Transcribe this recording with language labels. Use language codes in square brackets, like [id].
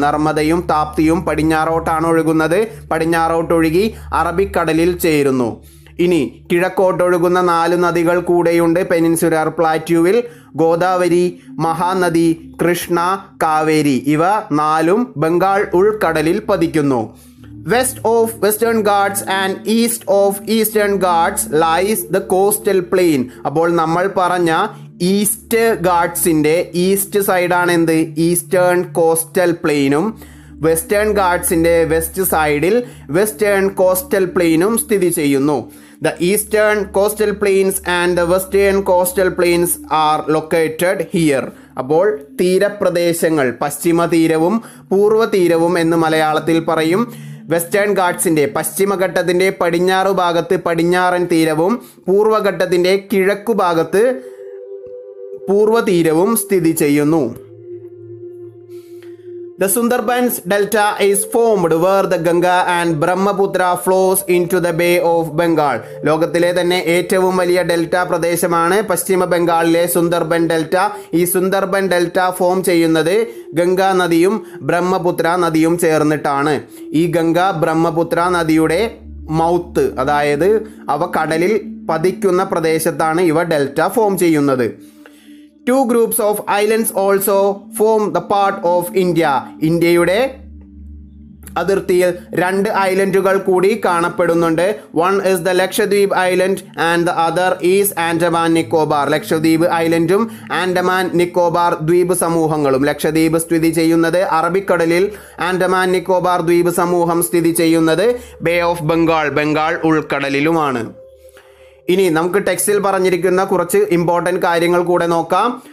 [ml] നർമ്മദയും താപ്തിയും പടിഞ്ഞാറോട്ടാണ് ഒഴുകുന്നത്. പടിഞ്ഞാറോട്ടൊഴുകി അറബിക്കടലിൽ ചേരുന്നു. ഇനി കിഴക്കോട്ടൊഴുകുന്ന നാല് നദികൾ കൂടെയുണ്ട് പെനിൻസുലാർ പ്ലാറ്റ്യൂവിൽ: ഗോദാവരി, മഹാനദി, കൃഷ്ണ, കാവേരി. ഇവ നാലും ബംഗാൾ ഉൾക്കടലിൽ പതിക്കുന്നു. [en] West of Western Ghats and east of Eastern Ghats lies the coastal plain. [ml] അപ്പോൾ നമ്മൾ പറഞ്ഞ ഈസ്റ്റ് ഗാട്സിൻ്റെ ഈസ്റ്റ് സൈഡാണ് എന്ത്? ഈസ്റ്റേൺ കോസ്റ്റൽ പ്ലെയിനും വെസ്റ്റേൺ ഗാട്സിൻ്റെ വെസ്റ്റ് സൈഡിൽ വെസ്റ്റേൺ കോസ്റ്റൽ പ്ലെയിനും സ്ഥിതി ചെയ്യുന്നു. [en] The Eastern Coastal Plains and the Western Coastal Plains are located here. [ml] അപ്പോൾ തീരപ്രദേശങ്ങൾ, പശ്ചിമ തീരവും പൂർവ്വ തീരവും എന്ന് മലയാളത്തിൽ പറയും. വെസ്റ്റേൺ ഗാട്സിൻ്റെ പശ്ചിമഘട്ടത്തിൻ്റെ പടിഞ്ഞാറു ഭാഗത്ത് പടിഞ്ഞാറൻ തീരവും പൂർവ്വഘട്ടത്തിൻ്റെ കിഴക്കുഭാഗത്ത് പൂർവ്വ തീരവും സ്ഥിതി ചെയ്യുന്നു. [en] The Sundarbans delta is formed where the Ganga and Brahmaputra flows into the Bay of Bengal. [ml] ലോകത്തിലെ തന്നെ ഏറ്റവും വലിയ ഡെൽറ്റ പ്രദേശമാണ് പശ്ചിമ ബംഗാളിലെ സുന്ദർബൻ ഡെൽറ്റ. ഈ സുന്ദർബൻ ഡെൽറ്റ ഫോം ചെയ്യുന്നത് ഗംഗാ നദിയും ബ്രഹ്മപുത്ര നദിയും ചേർന്നിട്ടാണ്. ഈ ഗംഗ ബ്രഹ്മപുത്ര നദിയുടെ മൗത്ത്, അതായത് അവ കടലിൽ പതിക്കുന്ന പ്രദേശത്താണ് ഇവ ഡെൽറ്റ ഫോം ചെയ്യുന്നത്. [en] Two groups of islands also form the part of India. [ml] ഇന്ത്യയുടെ അതിർത്തിയിൽ രണ്ട് ഐലൻഡുകൾ കൂടി കാണപ്പെടുന്നുണ്ട്. [en] One is the Lakshdweep Island and the other is Andaman Nicobar. [ml] Lakshadweep ഐലൻഡും Andaman Nicobar ദ്വീപ് സമൂഹങ്ങളും. ലക്ഷദ്വീപ് സ്ഥിതി ചെയ്യുന്നത് അറബിക്കടലിൽ, ആൻഡമാൻ നിക്കോബാർ ദ്വീപ് സമൂഹം സ്ഥിതി ചെയ്യുന്നത് ബേ ഓഫ് ബംഗാൾ, ബംഗാൾ ഉൾക്കടലിലുമാണ്. ഇനി നമുക്ക് ടെക്സ്റ്റിൽ പറഞ്ഞിരിക്കുന്ന കുറച്ച് ഇമ്പോർട്ടൻറ്റ് കാര്യങ്ങൾ കൂടെ നോക്കാം.